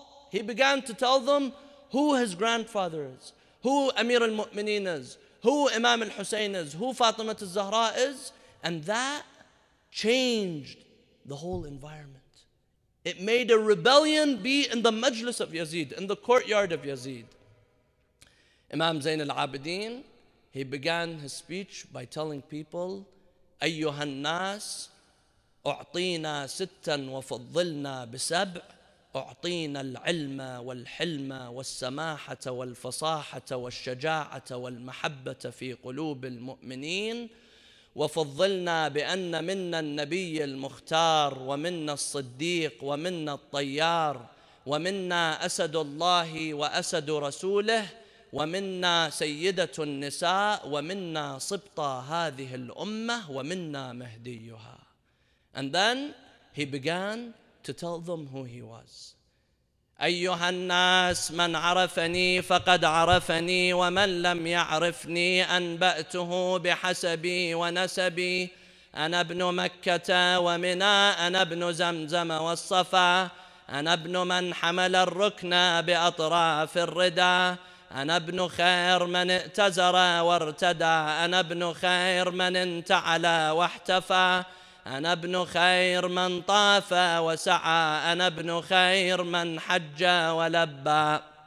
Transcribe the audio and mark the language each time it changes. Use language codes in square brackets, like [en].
[en] He began to tell them who his grandfather is, who Amir al-Mu'mineen is, who Imam al-Husayn is, who Fatima al-Zahra is. And that changed the whole environment. It made a rebellion be in the majlis of Yazid, in the courtyard of Yazid. Imam Zain al-Abidin, he began his speech by telling people, [ar] أَيُّهَا النَّاسِ أُعْطِينَا سِتًّا وَفَضِّلْنَا بِسَبْعِ أعطينا العلم والحلم والسماحة والفصاحة والشجاعة والمحبة في قلوب المؤمنين وفضلنا بأن منا النبي المختار ومنا الصديق ومنا الطيار ومنا أسد الله وأسد رسوله ومنا سيدة النساء ومنا صبطة هذه الأمة ومنا مهديها. [en] And then he began to tell them who he was. [ar] أيها الناس من عرفني فقد عرفني ومن لم يعرفني أنبأته بحسبي ونسبي أنا ابن مكة ومنى أنا ابن زمزم والصفا أنا ابن من حمل الركن بأطراف الردى أنا ابن خير من ائتزر وارتدى أنا ابن خير من انتعلى واحتفى أنا ابن خير من طاف وسعى أنا ابن خير من حج ولبى